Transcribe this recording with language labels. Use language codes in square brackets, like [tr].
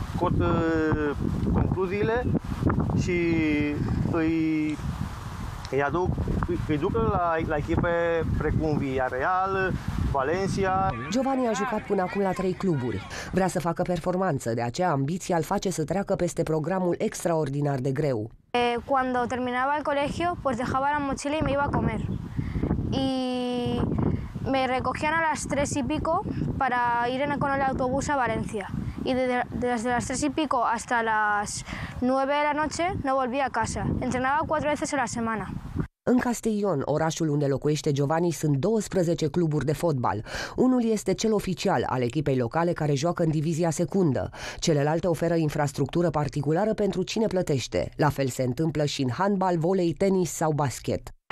[ro] Scot concluziile și îi duc la echipe precum Villarreal, Valencia. Giovanni a jucat până acum la 3 cluburi. Vrea să facă performanță, de aceea ambiția îl face să treacă peste programul extraordinar de greu. [es] Când terminaba el colegio, pues dejaba la mochila y me iba a comer. Y me recogían a las 3 y pico para ir en con el autobús a Valencia. Y desde las 3 y pico hasta las 9 de la noche no volví a casa. Entrenaba 4 veces a la semana. [ro] În Castellón, orașul unde locuiește Giovanni, sunt 12 cluburi de fotbal. Unul este cel oficial al echipei locale care joacă în divizia secundă. Celelalte oferă infrastructură particulară pentru cine plătește. La fel se întâmplă și în handbal, volei, tenis sau basket.